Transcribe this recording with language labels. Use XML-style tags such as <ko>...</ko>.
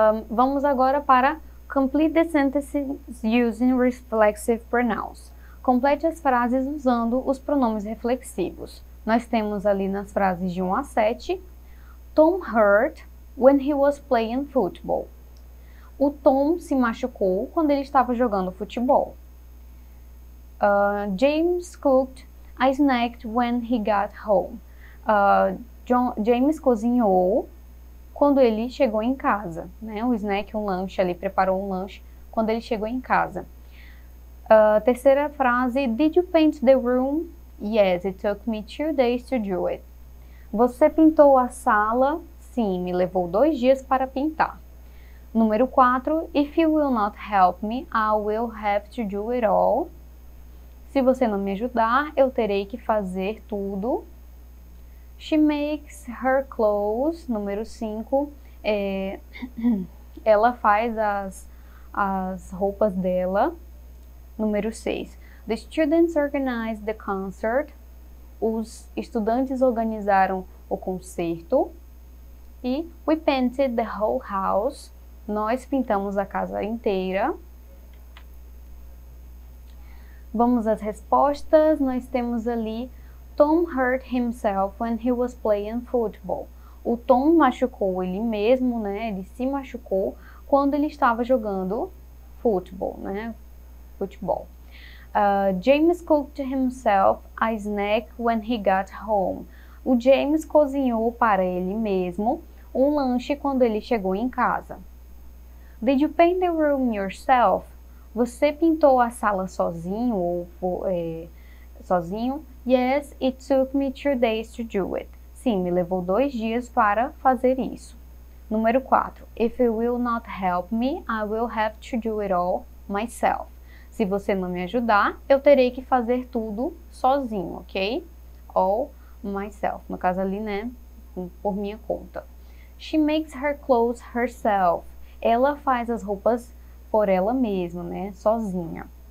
<pt>Vamos agora para</pt> <en>complete the sentences using reflexive pronouns.</en> <pt>Complete as frases usando os pronomes reflexivos. Nós temos ali nas frases de 1 a 7,</pt> <en>Tom hurt when he was playing football.</en> <pt>O Tom se machucou quando ele estava jogando futebol.</pt> <en>James cooked a snack when he got home.</en> <pt>James cozinhou quando ele chegou em casa, né? Um snack, um lanche ali, preparou um lanche quando ele chegou em casa. Terceira frase,</pt> <en>did you paint the room? Yes, it took me 2 days to do it.</en> <pt>Você pintou a sala? Sim, me levou 2 dias para pintar. Número 4,</pt> <en>if you will not help me, I will have to do it all.</en> <pt>Se você não me ajudar, eu terei que fazer tudo.</pt> <en>She makes her clothes,</en> <pt>número 5, ela faz as roupas dela. Número 6,</pt> <en>the students organized the concert,</en> <pt>os estudantes organizaram o concerto. E</pt> <en>we painted the whole house,</en> <pt>nós pintamos a casa inteira. Vamos às respostas, nós temos ali,</pt> <en>Tom hurt himself when he was playing football.</en> <pt>O Tom machucou ele mesmo, né? Ele se machucou quando ele estava jogando futebol, né? Futebol.</pt> <en>James cooked himself a snack when he got home.</en> <pt>O James cozinhou para ele mesmo um lanche quando ele chegou em casa.</pt> <en>Did you paint the room yourself?</en> <pt>Você pintou a sala sozinho ou sozinho?</pt> <en>Yes, it took me 2 days to do it.</en> <pt>Sim, me levou 2 dias para fazer isso. Número 4.</pt> <en>If you will not help me, I will have to do it all myself.</en> <pt>Se você não me ajudar, eu terei que fazer tudo sozinho, ok?</pt> <en>All myself.</en> <pt>No caso ali, né? Por minha conta.</pt> <en>She makes her clothes herself.</en> <pt>Ela faz as roupas por ela mesma, né? Sozinha.</pt>